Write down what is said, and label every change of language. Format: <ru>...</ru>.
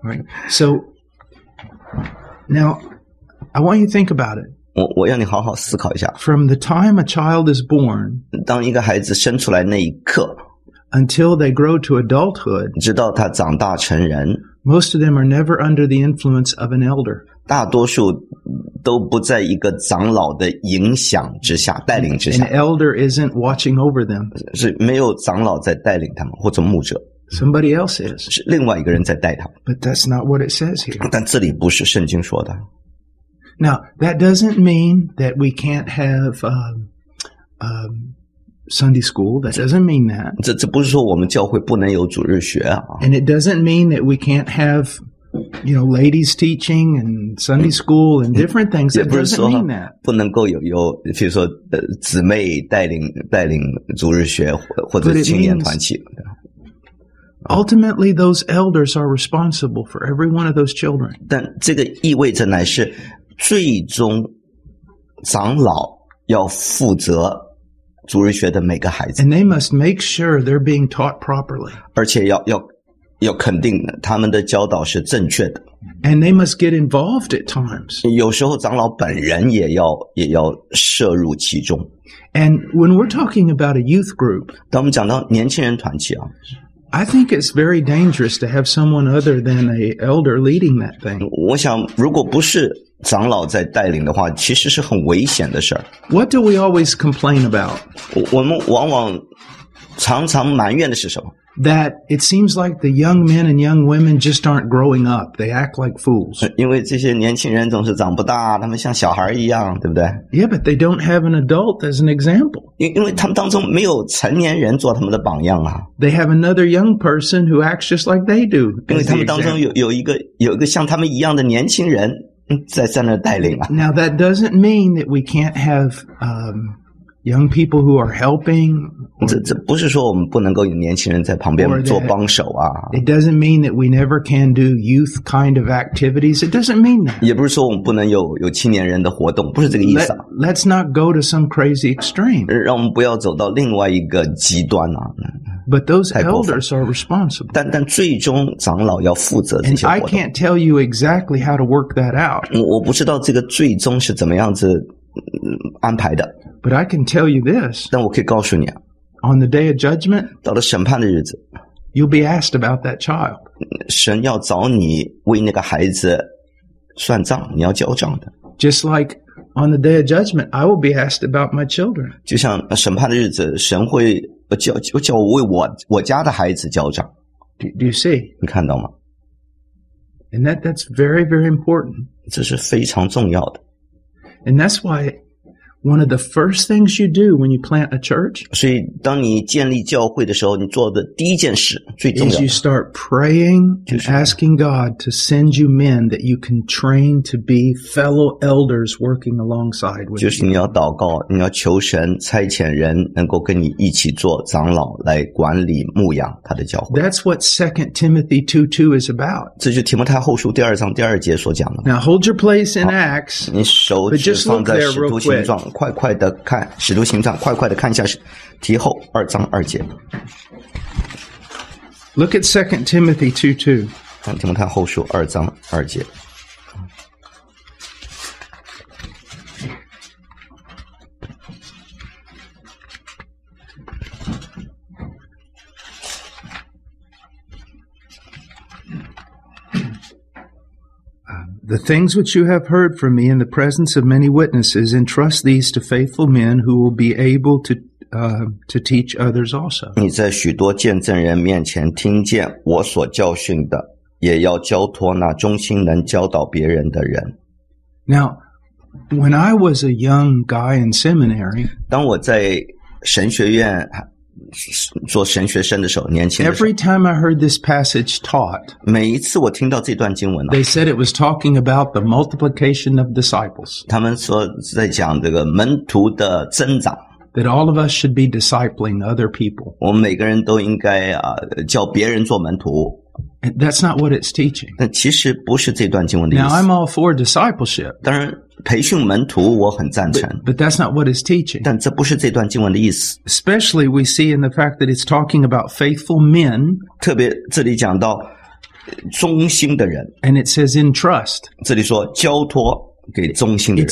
<en>Right. So, now, I want you to think about it.</en> <zh>我要你好好思考一下。</zh> <en>From the time a child is born,</en> <zh>当一个孩子生出来那一刻</zh> <en>until they grow to adulthood,</en> <zh>直到他长大成人</zh> <en>most of them are never under the influence of an elder.</en> <zh>大多数都不在一个长老的影响之下带领之下。</zh> <en>An elder isn't watching over them.</en> <zh>是没有长老在带领他们或者牧者。</zh> <en>Somebody else is.</en> <zh>是另外一个人在带他们。</zh> <en>But that's not what it says here.</en> <zh>但这里不是圣经说的。</zh> <en>Now, that doesn't mean that we can't have Sunday school. That doesn't mean that.</en> <zh>这不是说我们教会不能有主日学啊。</zh> <en>And it doesn't mean that we can't have, you know, ladies teaching and Sunday school and different things. It doesn't mean that.</en> <zh>不能够有比如说姊妹带领主日学或者青年团契。</zh> <en>Ultimately, those elders are responsible for every one of those children.</en> <zh>但这个意味着乃是最终长老要负责主日学的每个孩子。</zh> <en>And they must make sure they're being taught properly.</en> <zh>而且要肯定他们的教导是正确的。</zh> <en>And they must get involved at times.</en> <zh>有时候长老本人也要涉入其中。</zh> <en>And when we're talking about a youth group,</en> <zh>当我们讲到年轻人团契啊。</zh> <en>I think it's very dangerous to have someone other than an elder leading that thing.</en> <zh>我想如果不是长老在带领的话其实是很危险的事。</zh> <en>What do we always complain about?</en> <zh>我们往往常常埋怨的是什么?</zh> <en>That it seems like the young men and young women just aren't growing up. They act like fools.</en> <zh>因为这些年轻人总是长不大他们像小孩一样对不对?</zh> <en>Yeah, but they don't have an adult as an example.</en> <zh>因为他们当中没有成年人做他们的榜样啊。</zh> <en>They have another young person who acts just like they do.</en> <zh>因为他们当中有一个像他们一样的年轻人在那带领啊。</zh> <en>Now that doesn't mean that we can't have, young people who are helping.</en> <zh>这不是说我们不能够有年轻人在旁边做帮手啊。</zh> <en>It doesn't mean that we never can do youth kind of activities. It doesn't mean that.</en> <zh>也不是说我们不能有青年人的活动，不是这个意思啊。</zh> <en>Let's not go to some crazy extreme.</en> <zh>让我们不要走到另外一个极端啊。</zh> <en>But those elders are responsible.</en> <zh>但最终长老要负责这些活动。</zh> <en>And I can't tell you exactly how to work that out.</en> <zh>我不知道这个最终是怎么样子安排的。</zh> <en>But I can tell you this.</en> <zh>但我可以告诉你啊。</zh> <en>On the day of judgment,</en> <zh>到了审判的日子。</zh> <en>You'll be asked about that child.</en> <zh>神要找你为那个孩子算账，你要交账的。</zh> <en>Just like on the day of judgment, I will be asked about my children.</en> <zh>就像审判的日子，神会叫我为我家的孩子交账。</zh> <en>Do you see?</en> <zh>你看到吗？</zh> <en>And that's very, very important.</en> <zh>这是非常重要的。</zh> <en>And that's why one of the first things you do when you plant a church,</en> <zh>所以当你建立教会的时候，你做的第一件事最重要的</zh> <en>is you start praying and asking God to send you men that you can train to be fellow elders working alongside with.</en> <zh>就是你要祷告，你要求神差遣人能够跟你一起做长老，来管理牧养他的教会。</zh> <en>That's what 2 Timothy 2:2 is about.</en> <zh>这就提摩太后书第二章第二节所讲的。</zh> <en>Now hold your place in Acts.</en> <zh>你手指放在使徒行状。快快的看使徒行传，快快的看一下提后二章二节。</zh> <en>Look at 2 Timothy 2:2.</en> <zh>看提摩太后书二章二节。</zh> <en>The things which you have heard from me in the presence of many witnesses, entrust these to faithful men who will be able to teach others also.</en> <zh>你在许多见证人面前听见我所教训的，也要交托那忠心能教导别人的人。</zh> <en>Now, when I was a young guy in seminary,</en> <zh>当我在神学院做神学生的时候，年轻的时候。</zh> <en>Every time I heard this passage taught,</en> <zh>每一次我听到这段经文呢。</zh> <en>They said it was talking about the multiplication of disciples.</en> <zh>他们说在讲这个门徒的增长。</zh> <en>That all of us should be discipling other people.</en> <zh>我们每个人都应该啊叫别人做门徒。</zh> <en>And that's not what it's teaching.</en> <zh>但其实不是这段经文的意思。</zh> <en>Now I'm all for discipleship.</en> <zh>当然培训门徒我很赞成。</zh> <en>But that's not what it's teaching.</en> <zh>但这不是这段经文的意思。</zh> <en>Especially we see in the fact that it's talking about faithful men.</en> <zh>特别这里讲到忠心的人。</zh> <en>And it says entrust.</en> <zh>这里说交托给忠心的人。</zh>